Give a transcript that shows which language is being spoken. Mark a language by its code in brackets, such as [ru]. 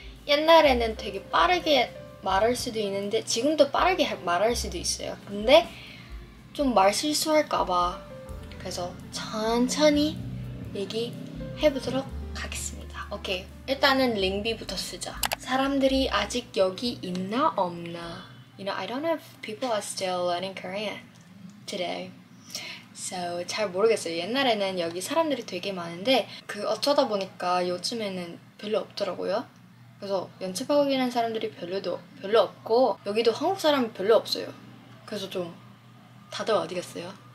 [ko] 옛날에는 되게 빠르게 말할 수도 있는데 지금도 빠르게 말할 수도 있어요. 근데 좀 말실수할까봐 그래서 천천히 얘기해보도록 하겠습니다. 오케이, 일단은 링비부터 쓰자. 사람들이 아직 여기 있나 없나? [en] You know, I don't know if people are still learning Korean today. So, [ko] 잘 모르겠어요. 옛날에는 여기 사람들이 되게 많은데 그 어쩌다 보니까 요즘에는 별로 없더라고요. 그래서 연습하고 있는 사람들이 별로 없고 여기도 한국 사람이 별로 없어요. 그래서 좀 다들 어디 갔어요?